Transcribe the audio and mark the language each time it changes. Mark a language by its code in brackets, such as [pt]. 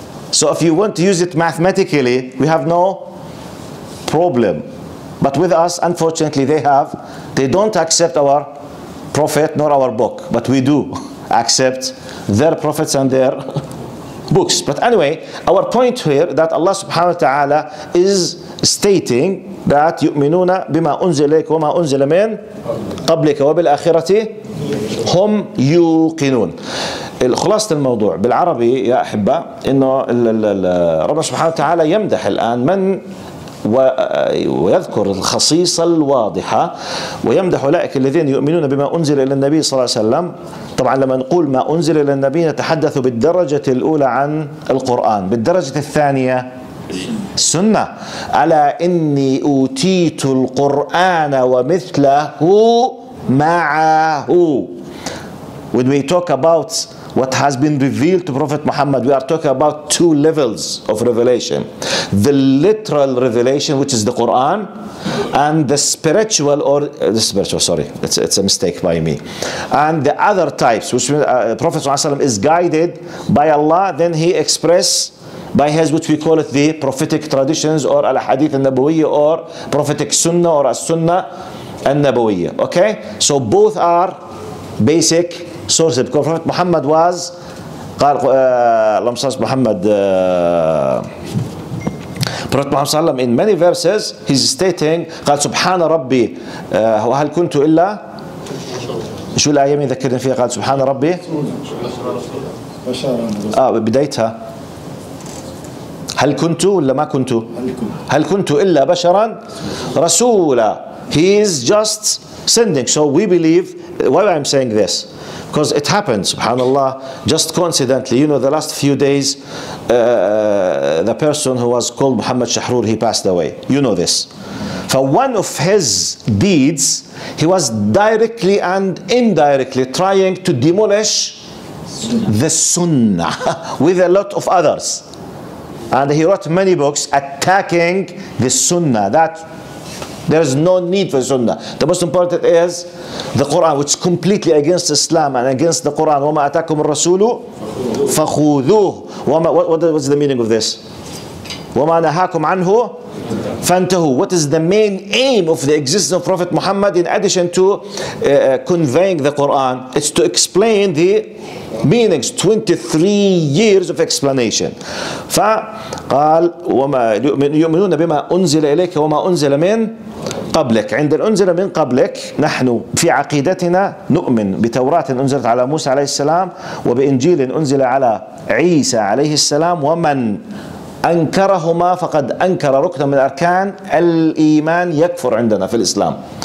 [en] So if you want to use it mathematically, we have no problem. But with us, unfortunately, they don't accept our prophet nor our book. But we do accept their prophets and their books. But anyway, our point here that Allah subhanahu wa ta'ala is stating that [ar] يؤمنون بما أنزل إليك وما أنزل من قبلك وبالآخرة هم يوقنون. خلاصة الموضوع بالعربي يا أحبة إنه ربنا سبحانه وتعالى يمدح الآن من ويذكر الخصيصة الواضحة ويمدح أولئك الذين يؤمنون بما أنزل إلى النبي صلى الله عليه وسلم. طبعا لما نقول ما أنزل إلى النبي نتحدث بالدرجة الأولى عن القرآن، بالدرجة الثانية السنة. ألا إني أوتيت القرآن ومثله معه. [en] When we talk about what has been revealed to Prophet Muhammad, we are talking about two levels of revelation. The literal revelation, which is the Quran, and the spiritual, or the spiritual, sorry, it's a mistake by me. And the other types, which Prophet ﷺ is guided by Allah, then he expressed by his, which we call it the prophetic traditions, or al-hadith al-nabawiyya, or prophetic sunnah, or as-sunnah al-nabawiyya. Okay? So both are basic sources, because Prophet Muhammad was Prophet Muhammad sallam in many verses he's stating [ar] قال سبحان ربي وهل كنت إلا شو الآية مين ذكرني فيها قال سبحان ربي بدايتها هل كنت ولا ما كنت هل كنت إلا بشرا رسولا. [en] He is just sending. So we believe, why I'm saying this, because it happened, subhanAllah, just coincidentally, you know, the last few days, the person who was called Muhammad Shahrur, he passed away. You know this. For one of his deeds, he was directly and indirectly trying to demolish the Sunnah with a lot of others. And he wrote many books attacking the Sunnah. That there is no need for Sunnah. The most important is the Quran, which is completely against Islam and against the Quran. [ar] وَمَا أَتَاكُمُ الرَّسُولُ فَخُوذُوهُ. [en] What's the meaning of this? [ar] وَمَا نَهَاكُمْ عَنْهُ فَانْتَهُ. [en] What is the main aim of the existence of Prophet Muhammad in addition to conveying the Quran? It's to explain the meanings. 23 years of explanation. [ar] فقال يؤمنون بما أنزل إليك وما أنزل من قبلك. عند الأنزل من قبلك نحن في عقيدتنا نؤمن بتوراة أنزلت على موسى عليه السلام وبإنجيل أنزل على عيسى عليه السلام ومن أنكرهما فقد أنكر ركنا من أركان الإيمان يكفر عندنا في الإسلام.